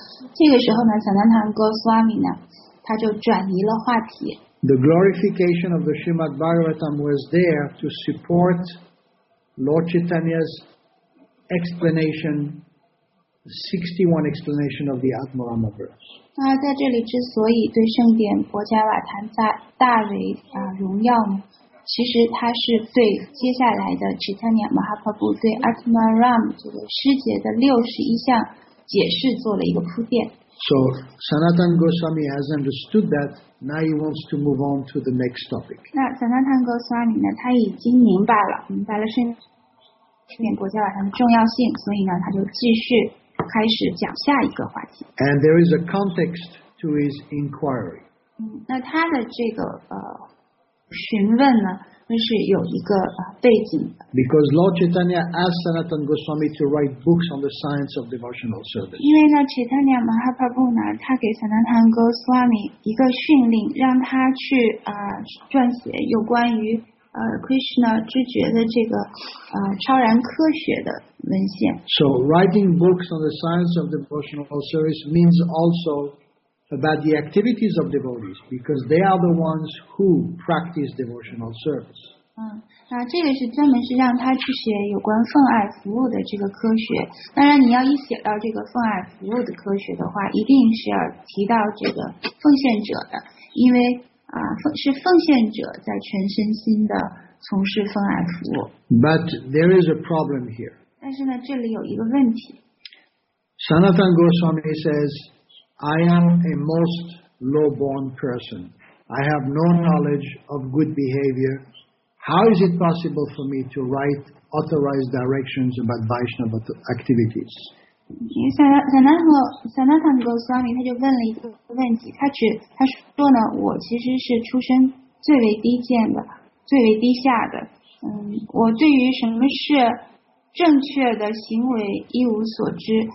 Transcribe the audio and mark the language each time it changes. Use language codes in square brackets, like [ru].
[zh] 这个时候呢 ，Sanatan Goswami 呢，他就转移了话题。 [en] The glorification of the Srimad Bhagavatam was there to support Lord Chaitanya's explanation, 61 explanation of the Atmarama verse. [zh] 那在这里之所以对圣典波迦瓦坛大为荣耀呢？其实他是对接下来的 Chaitanya Mahaprabhu 对 Atmaram 这个师节的61项解释做了一个铺垫。 [en] So Sanatan Goswami has understood that. Now he wants to move on to the next topic. [zh] 那 Sanatan Goswami 呢，他已经明白了圣典国家瓦坛的重要性，所以呢，他就继续开始讲下一个话题。 [en] And there is a context to his inquiry. [zh] 那他的这个询问呢，就是有一个背景的。 [en] Because Lord Chaitanya asked Sanatan Goswami to write books on the science of devotional service. [zh] 因为呢 ，Chaitanya Mahaprabhu 呢，他给 Sanatan Goswami 一个训令，让他去撰写有关于Krishna 知觉的这个超然科学的文献。 [en] So writing books on the science of devotional service means also about the activities of devotees, because they are the ones who practice devotional service. [zh] 那这个是专门是让他去写有关奉爱服务的这个科学。当然，你要一写到这个奉爱服务的科学的话，一定是要提到这个奉献者的，因为是奉献者在全身心的从事奉爱服务。 [en] But there is a problem here. [zh] 但是呢，这里有一个问题。 [en] Sanatan Goswami says, I am a most low-born person. I have no knowledge of good behavior. How is it possible for me to write authorized directions about Vaishnava activities? [zh] 萨那坦 Goswami 他就问了一个问题，他说呢，我其实是出身最为低贱的，最为低下的。我对于什么是正确的行为一无所知。